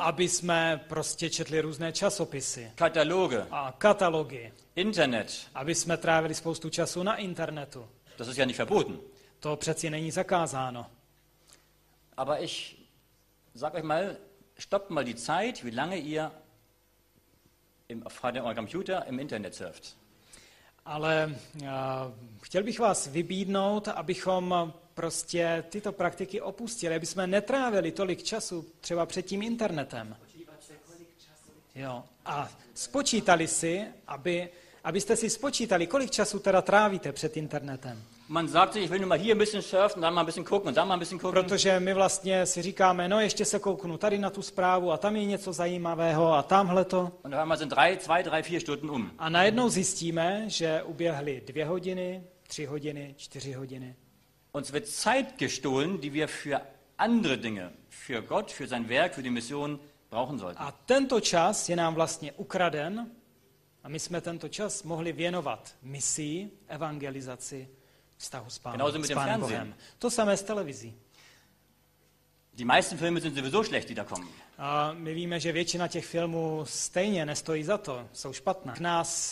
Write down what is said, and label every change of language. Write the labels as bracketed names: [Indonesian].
[Czech] Aby jsme prostě četli různé časopisy. [German] Kataloge. [Czech] A katalogy. [German] Internet. [Czech] Aby jsme trávili spoustu času na internetu. [German] Das ist ja nicht verboten. [Czech] To přeci není zakázáno. [German] Aber ich sag euch mal, stoppt mal die Zeit, wie lange ihr im Computer im Internet surft. [Czech] Ale chtěl bych vás vybídnout, abychom prostě tyto praktiky opustili, aby jsme netrávili tolik času třeba před tím internetem. Jo. A spočítali si, abyste si spočítali, kolik času teda trávíte před internetem. [German] Man sagt sich, ich will nur mal hier ein bisschen surfen, dann mal ein bisschen gucken und dann mal ein bisschen gucken. [Czech] Protože my vlastně si říkáme, no ještě se kouknu tady na tu zprávu a tam je něco zajímavého a tamhle to. [German] Und dann haben wir zwei, drei, vier Stunden um. [Czech] A najednou zjistíme, že uběhly 2 hodiny, 3 hodiny, 4 hodiny. [German] Uns wird Zeit gestohlen, die wir für andere Dinge, für Gott, für sein Werk, für die Mission brauchen sollten. [Czech] A tento čas je nám vlastně ukraden a my jsme tento čas mohli věnovat misi, evangelizaci, vztahu s Pánem, [German] genauso mit dem Fernsehen. [Czech] Bohem. To samé s televizí. [German] Die meisten Filme sind sowieso schlecht, die da kommen. [Czech] A my víme, že většina těch filmů stejně nestojí za to, jsou špatná.